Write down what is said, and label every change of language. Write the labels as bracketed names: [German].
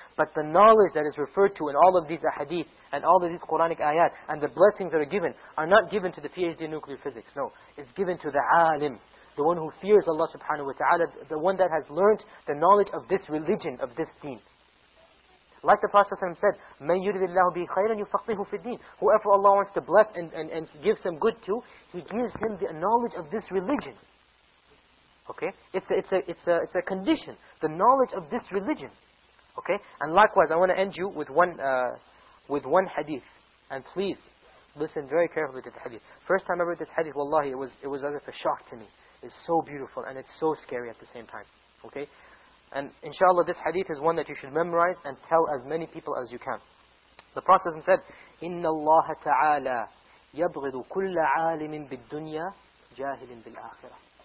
[English] But the knowledge that is referred to in all of these ahadith and all of these Quranic ayat and the blessings that are given are not given to the PhD in nuclear physics. No. It's given to the alim. The one who fears Allah subhanahu wa ta'ala. The one that has learned the knowledge of this religion, of this deen. Like the Prophet ﷺ said, [Arabic] مَنْ يُرِذِ اللَّهُ بِهِ خَيْرًا يُفَقِّهُ فِي الدِّينِ. [English] Whoever Allah wants to bless and give some good to, He gives him the knowledge of this religion. Okay? It's a condition. The knowledge of this religion. Okay? And likewise, I want to end you with one hadith. And please, listen very carefully to the hadith. First time I read this hadith, wallahi, it was as if a shock to me. It's so beautiful and it's so scary at the same time. Okay? And inshallah, this hadith is one that you should memorize and tell as many people as you can. The Prophet said, [Arabic] إِنَّ اللَّهَ تَعَالَى يَبْغِضُ كُلَّ عَالِمٍ بِالدُّنْيَا جَاهِلٍ بِالْآخِرَةِ.